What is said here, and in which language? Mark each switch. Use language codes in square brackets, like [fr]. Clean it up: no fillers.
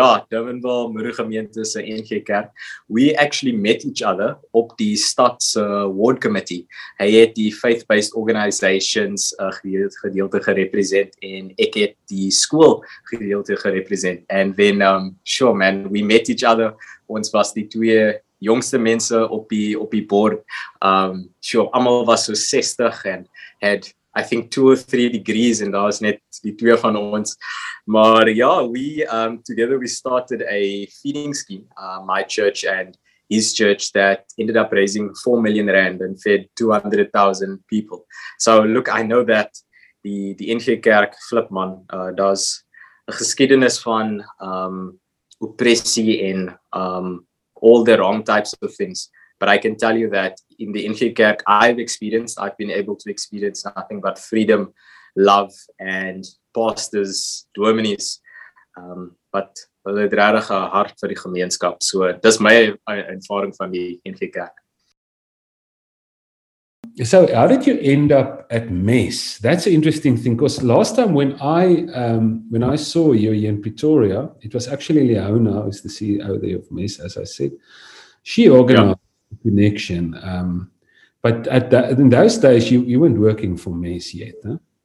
[af] Durbanville, Moere gemeente se NG kerk. [en] We actually met each other [af] op die stads ward committee. Hy het die faith-based organizations gedeelte gerepresent en ek het die skool gedeelte gerepresent. [en] And then sure man, we met each other. [af] Ons was die 2 jongste mense op die board. Almal was so 60 [en] and had I think 2 or 3 degrees and [af] daar was net die 2 van ons. Maar ja, [en] we started a feeding scheme, my church and his church, that ended up raising 4 million rand and fed 200,000 people. So look, I know that the NG Kerk Flipman does a [af] geskiedenis van [en] oppressie and all the wrong types of things. But I can tell you that in the NG Kerk, I've been able to experience nothing but freedom, love, and pastors, dominees. [af] But hulle het regtig 'n hart vir die gemeenskap. So dis my ervaring van die NG Kerk. [en] So how did you end up at MES? That's an interesting thing, because last time when I saw you here in Pretoria, it was actually Leona, who's the CEO there of MES, as I said. She organized connection, but in those days you weren't working for MES yet, huh?